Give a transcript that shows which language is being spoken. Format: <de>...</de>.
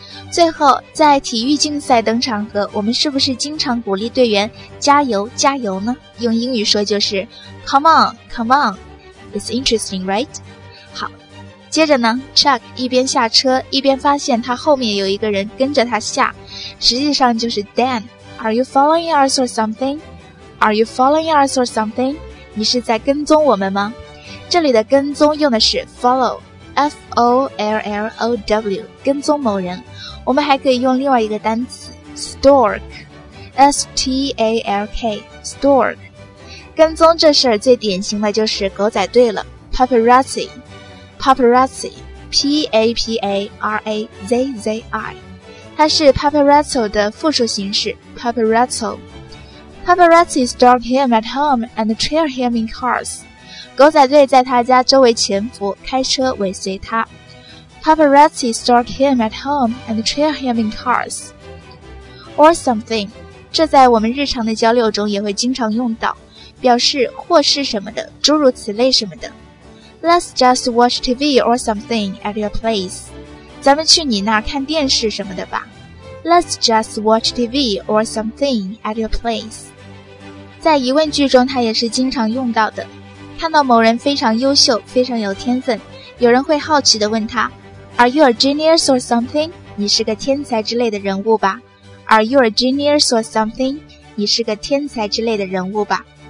<zh>最后在体育竞赛等场合，我们是不是经常鼓励队员加油加油呢？用英语说就是</zh> <en>Come on, come on. It's interesting, right?</en> <zh>好，接着呢 Chuck 一边下车一边发现他后面有一个人跟着他下，实际上就是 Dan。</zh> <en>Are you following us or something? Are you following us or something?</en> <zh>你是在跟踪我们吗？这里的跟踪用的是 follow, F-O-L-L-O-W, 跟踪某人。我们还可以用另外一个单词 stalk, S-T-A-L-K, stalk。跟踪这事儿最典型的就是狗仔队了， paparazzi, paparazzi, P-A-P-A-R-A-Z-Z-I, 它是 paparazzo 的复数形式 paparazzo。</zh> <en>Paparazzi stalk him at home and trail him in cars。</en> <zh>狗仔队在他家周围潜伏，开车尾随他。</zh> <en>Paparazzi stalk him at home and trail him in cars. Or something.</en> <zh>这在我们日常的交流中也会经常用到，表示或是什么的，诸如此类什么的。</zh> <en>Let's just watch TV or something at your place.</en> <zh>咱们去你那儿看电视什么的吧。</zh> <en>Let's just watch TV or something at your place.</en> <zh>在疑问句中它也是经常用到的。看到某人非常优秀，非常有天分，有人会好奇地问他</zh> <en>Are you a genius or something?</en> <zh>你是个天才之类的人物吧。</zh> <en>Are you a genius or something?</en> <zh>你是个天才之类的人物吧。</zh>